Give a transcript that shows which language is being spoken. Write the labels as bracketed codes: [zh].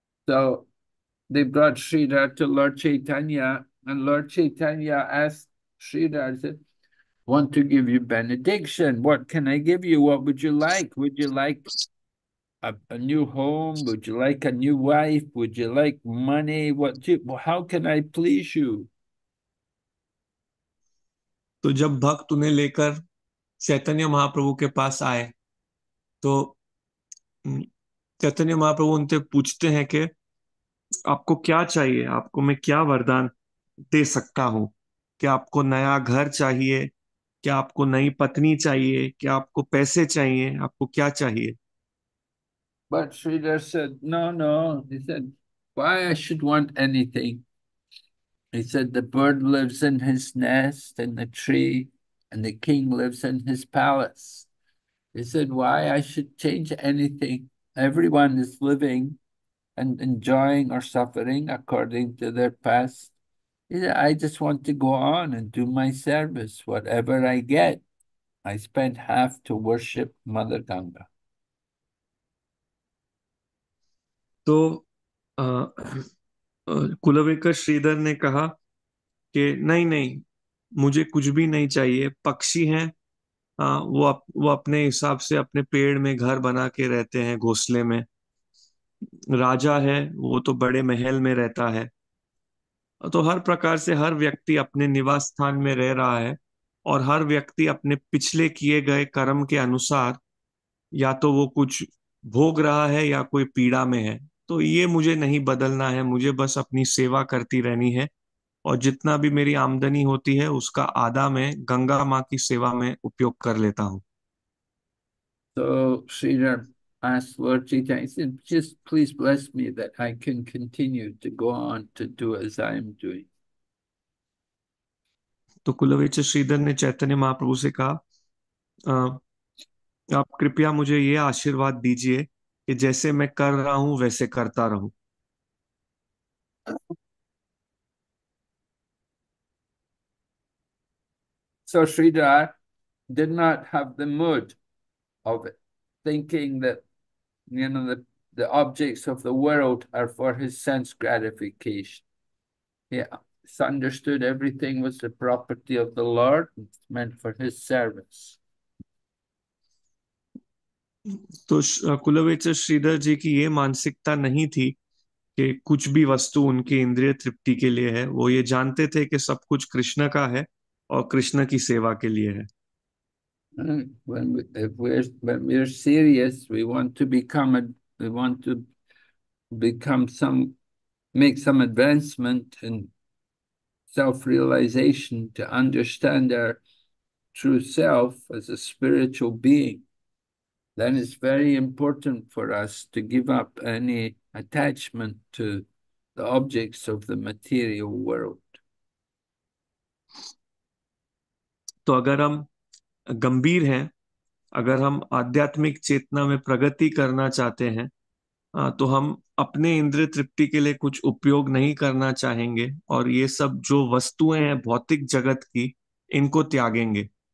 [en] So they brought Sridhar to Lord Chaitanya, and Lord Chaitanya asked Sridhar, said, "Want to give you benediction? What can I give you? What would you like? Would you like a new home? Would you like a new wife? Would you like money? What do you, how can I please you?" [hi] तो जब भक्त उन्हें लेकर चैतन्य महाप्रभु के पास आए, तो चैतन्य महाप्रभु उनसे पूछते हैं कि आपको क्या चाहिए, आपको मैं क्या वरदान दे सकता हूँ, क्या आपको नया घर चाहिए, क्या आपको नई पत्नी चाहिए, क्या आपको पैसे चाहिए, आपको क्या चाहिए। [en] But Sridhar said, no. He said, why I should want anything? He said, the bird lives in his nest in the tree, and the king lives in his palace. He said, why I should change anything? Everyone is living and enjoying or suffering according to their past. He said, I just want to go on and do my service. Whatever I get, I spend half to worship Mother Ganga. [hi] तो कुलवेकर श्रीधर ने कहा कि नहीं, मुझे कुछ भी नहीं चाहिए। पक्षी हैं, वो अपने हिसाब से अपने पेड़ में घर बना के रहते हैं, घोंसले में। राजा है, वो तो बड़े महल में रहता है। तो हर प्रकार से हर व्यक्ति अपने निवास स्थान में रह रहा है, और हर व्यक्ति अपने पिछले किए गए कर्म के अनुसार या तो वो कुछ भोग रहा है या कोई पीड़ा में है। तो ये मुझे नहीं बदलना है, मुझे बस अपनी सेवा करती रहनी है, और जितना भी मेरी आमदनी होती है उसका आधा मैं गंगा माँ की सेवा में उपयोग कर लेता हूँ। [en] So Sridhar asked Lord Chaitanya, he said, just please bless me that I can continue to go on to do as I am doing. [hi] तो कुलवेच श्रीधर ने चैतन्य महाप्रभु से कहा, आप कृपया मुझे ये आशीर्वाद दीजिए कि जैसे मैं कर रहा हूं वैसे करता रहूं। [en] So Sridhar did not have the mood of it, thinking that the objects of the world are for his sense gratification. Yeah, he understood everything was the property of the Lord, it's meant for his service. [hi] तो कुलवेचर श्रीधर जी की ये मानसिकता नहीं थी कि कुछ भी वस्तु उनकी इंद्रिय तृप्ति के लिए है। वो ये जानते थे कि सब कुछ कृष्ण का है और कृष्ण की सेवा के लिए है। [en] When we're serious, we want to become some, make some advancement in self-realization, to understand our true self as a spiritual being. Then it's very important for us to give up any attachment to the objects of the material world. [hi] तो अगर हम गंभीर हैं, अगर हम आध्यात्मिक चेतना में प्रगति करना चाहते हैं, तो हम अपने इंद्रिय तृप्ति के लिए कुछ उपयोग नहीं करना चाहेंगे, और ये सब जो वस्तुएं हैं भौतिक जगत की, इनको त्यागेंगे।